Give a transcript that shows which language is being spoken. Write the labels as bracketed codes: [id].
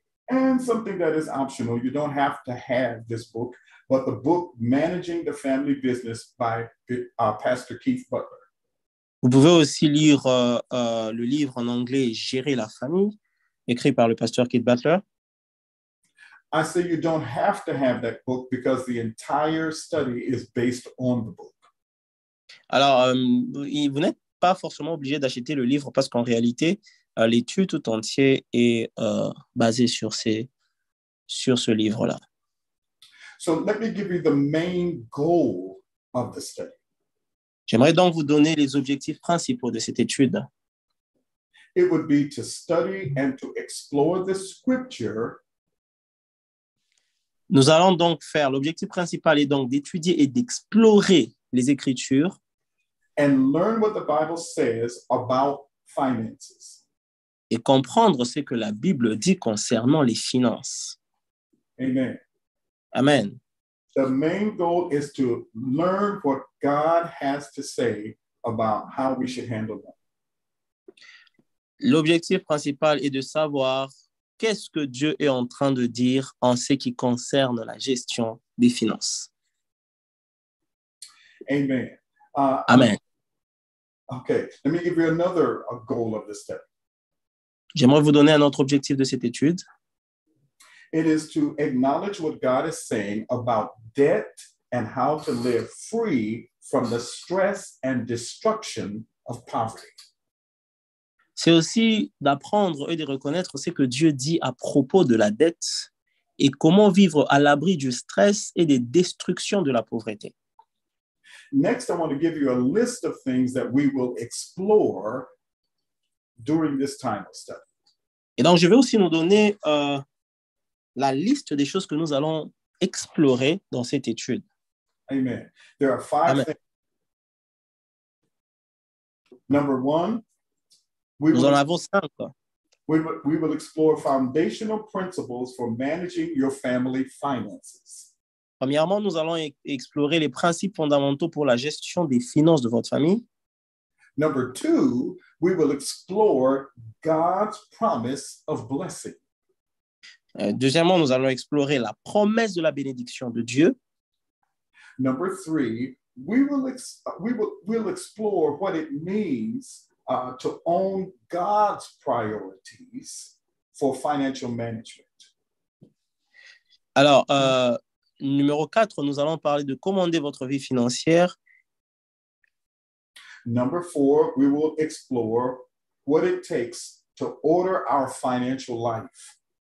[en] And something that is optional, you don't have to have this book, but the book Managing the Family Business by Pastor Keith Butler. [fr] Vous pouvez aussi lire le livre en anglais Gérer la famille, écrit par le pasteur Keith Butler. [en] I say you don't have to have that book because the entire study is based on the book. [fr] Alors, vous n'êtes pas forcément obligé d'acheter le livre parce qu'en réalité, l'étude tout entière est basée sur ce livre-là. [en] So let me give you the main goal of the study. [fr] J'aimerais donc vous donner les objectifs principaux de cette étude. [en] It would be to study and to explore the scripture. [fr] Nous allons donc faire, l'objectif principal est donc d'étudier et d'explorer les Écritures. [en] And learn what the Bible says about finances. [fr] Et comprendre ce que la Bible dit concernant les finances. [en] Amen. [fr] Amen. [en] The main goal is to learn what God has to say about how we should handle them. [fr] L'objectif principal est de savoir qu'est-ce que Dieu est en train de dire en ce qui concerne la gestion des finances. [en] Amen. [fr] Amen. [en] Okay, let me give you another goal of this study. [fr] J'aimerais vous donner un autre objectif de cette étude. [en] It is to acknowledge what God is saying about debt and how to live free from the stress and destruction of poverty. [fr] C'est aussi d'apprendre et de reconnaître ce que Dieu dit à propos de la dette et comment vivre à l'abri du stress et des destructions de la pauvreté. [en] Next, I want to give you a list of things that we will explore during this time of study. [fr] Et donc, je vais aussi nous donner la liste des choses que nous allons explorer dans cette étude. [en] Amen. There are five Amen. Things. Number one, we will explore foundational principles for managing your family finances. [fr] Premièrement, nous allons explorer les principes fondamentaux pour la gestion des finances de votre famille. [en] Number two, we will explore God's promise of blessing. [fr] Deuxièmement, nous allons explorer la promesse de la bénédiction de Dieu. [en] Number three, we'll explore what it means to own God's priorities for financial management. [fr] Alors, numéro 4, nous allons parler de commander votre vie financière. [en] Number 4, we will explore what it takes to order our financial life.